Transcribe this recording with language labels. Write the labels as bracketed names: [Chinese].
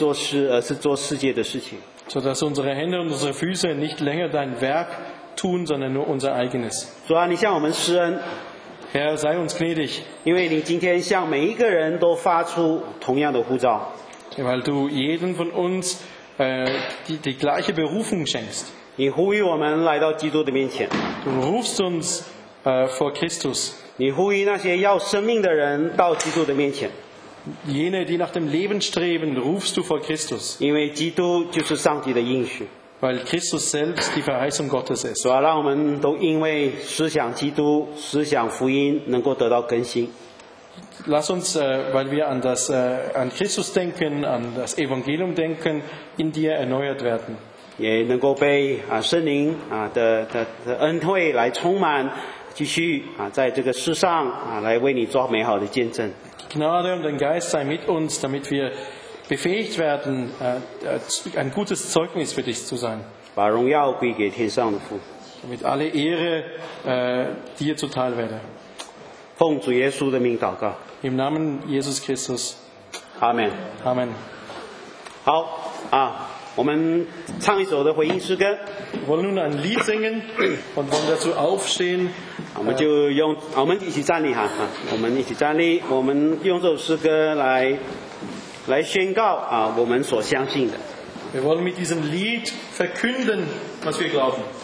[German] So dass unsere Hände und unsere Füße nicht länger dein Werk tun, sondern nur unser eigenes. [Chinese] 主啊, 你向我们施恩, [German] Herr, sei uns gnädig. [Chinese] 因为你今天向每一个人都发出同样的呼召。 [German] Weil du jeden von uns die gleiche Berufung schenkst. [Chinese] 你呼吁我们来到基督的面前。 [German] Du rufst uns vor Christus. [Chinese] 你呼吁那些要生命的人到基督的面前。 [German] Jene, die nach dem Leben streben, rufst du vor Christus. [Chinese] 因为基督就是上帝的应许。 [German] Weil Christus selbst die Verheißung Gottes ist. [Chinese] 主啊，让我们都因为思想基督、思想福音，能够得到更新。 [German] Lass uns, weil wir an das, an Christus denken, an das Evangelium denken, in dir erneuert werden. [Chinese] 也能够被圣灵的恩惠来充满，继续在这个世上来为你做美好的见证。 [German] Gnade und dein Geist sei mit uns, damit wir befähigt werden, ein gutes Zeugnis für dich zu sein. [Chinese] 把荣耀归给天上的父。 [German] Damit alle Ehre dir zuteil werde. [Chinese] 奉主耶稣的名祷告。 [German] Im Namen Jesus Christus. Amen. Amen. [Chinese] 好我们唱一首的回应诗歌。 [German] Wir wollen nun ein Lied singen und wollen dazu aufstehen. [Chinese] 我们一起站立我们一起站立，我们用这首诗歌来宣告我们所相信的。 [German] Wir wollen mit diesem Lied verkünden, was wir glauben.